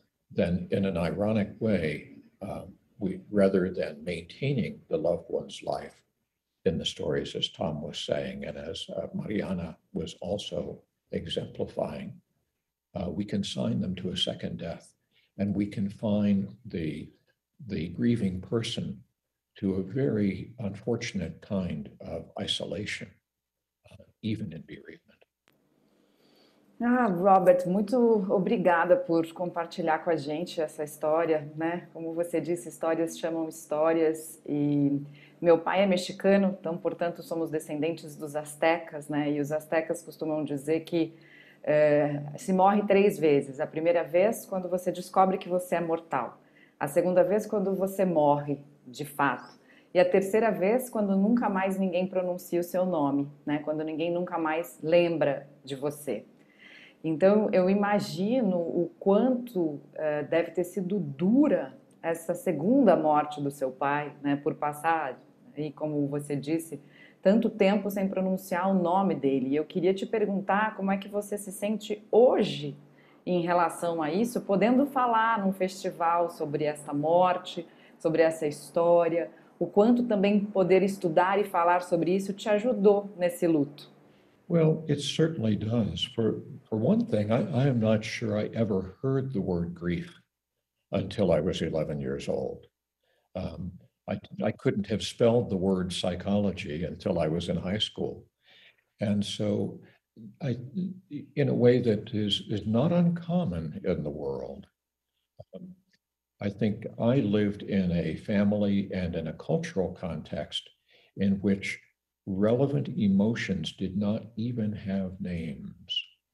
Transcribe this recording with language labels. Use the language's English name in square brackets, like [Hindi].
[English] Then in an ironic way, we, rather than maintaining the loved one's life in the stories, as Tom was saying, and as Mariana was also exemplifying, we can sign them to a second death, and we can find the grieving person to a very unfortunate kind of isolation, even in bereavement. [Portuguese] Ah, Robert, muito obrigada por compartilhar com a gente essa história, né? Como você disse, histórias chamam histórias, e meu pai é mexicano, então, portanto, somos descendentes dos astecas, né? E os astecas costumam dizer que se morre três vezes. A primeira vez, quando você descobre que você é mortal. A segunda vez, quando você morre, de fato. E a terceira vez, quando nunca mais ninguém pronuncia o seu nome, né? Quando ninguém nunca mais lembra de você. Então, eu imagino o quanto deve ter sido dura essa segunda morte do seu pai, né, por passar, e como você disse, tanto tempo sem pronunciar o nome dele. E eu queria te perguntar como é que você se sente hoje em relação a isso, podendo falar num festival sobre essa morte, sobre essa história, o quanto também poder estudar e falar sobre isso te ajudou nesse luto. [English] Well, it certainly does. For one thing, I am not sure I ever heard the word grief until I was 11 years old. I couldn't have spelled the word psychology until I was in high school. And so in a way that is not uncommon in the world, I think I lived in a family and in a cultural context in which relevant emotions did not even have names.